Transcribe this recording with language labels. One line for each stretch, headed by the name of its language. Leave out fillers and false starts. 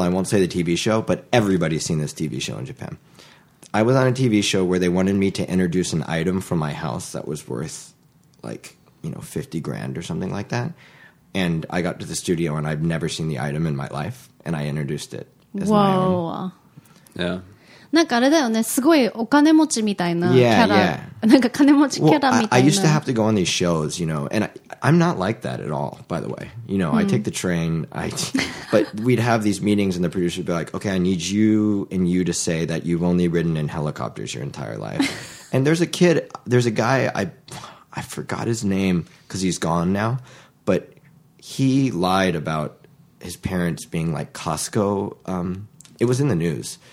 English: I won't say the TV show, but everybody's seen this TV show in Japan. I was on a TV show where they wanted me to introduce an item from my house that was worth like, you know, 50 grand or something like that. And I got to the studio and I've never seen the item in my life. And I introduced it as Whoa. My own. Yeah.
Japanese: なんかあれだよね、すごいお金持ちみたいなキャラ、なんか金持ちキャラみたいな。
English: I used to have to go on these shows, you know, and I'm not like that at all, by the way. You know, I take the train, but we'd have these meetings and the producer would be like, okay, I need you and you to say that you've only ridden in helicopters your entire life. And there's a guy, I forgot his name because he's gone now, but he lied about his parents being like Costco, it was in the news.